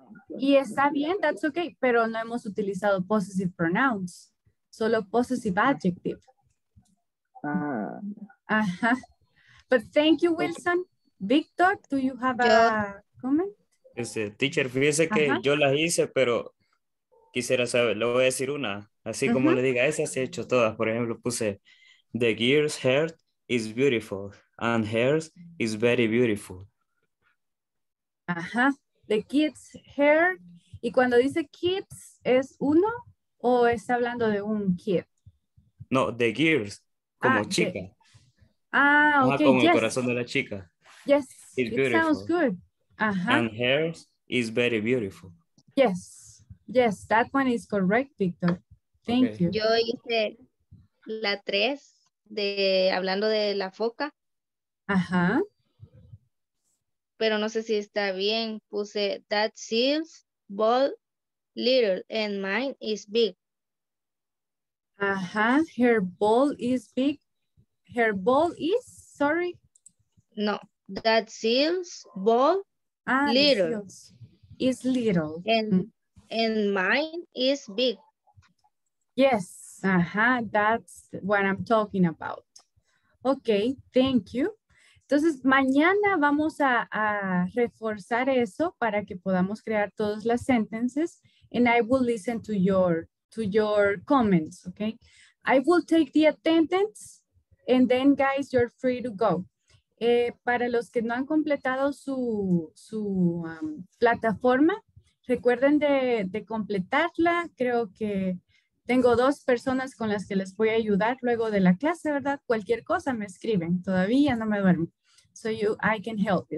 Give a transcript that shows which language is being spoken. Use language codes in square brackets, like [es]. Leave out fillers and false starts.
[es] Y está bien, [en] that's okay, [es] pero no hemos utilizado possessive pronouns, solo possessive adjective. [en] Ajá. But thank you, Wilson. Victor, do you have a comment? [es] Teacher, fíjese que yo las hice, pero quisiera saber, le voy a decir una. Así como le diga, esas he hecho todas. Por ejemplo, puse, [en] the girl's hair is beautiful and hers is very beautiful. Ajá. The kid's hair. [es] Y cuando dice kids, ¿es uno o está hablando de un kid? No, [en] the girl's, [es] como chica. Ah, ok. Ajá, como [en] yes. [es] El corazón de la chica. [en] Yes, it's beautiful. It sounds good. Ajá. And hers is very beautiful. Yes, yes, that one is correct, Victor. Thank okay. you. [es] Yo hice la tres de hablando de la foca. Ajá. Pero no sé si está bien. Puse [en] that seal's ball little and mine is big. Ajá. Her ball is big. Her ball is, sorry. No. That seal's ball little. Is little. And mine is big. Yes. Ajá. That's what I'm talking about. Okay. Thank you. [es] Entonces, mañana vamos a reforzar eso para que podamos crear todas las sentences. [en] And I will listen to your comments, okay? I will take the attendance, and then, guys, you're free to go. [es] Para los que no han completado su plataforma, recuerden de completarla. Creo que tengo dos personas con las que les voy a ayudar luego de la clase, ¿verdad? Cualquier cosa me escriben. Todavía no me duermo. [en] So you, I can help you.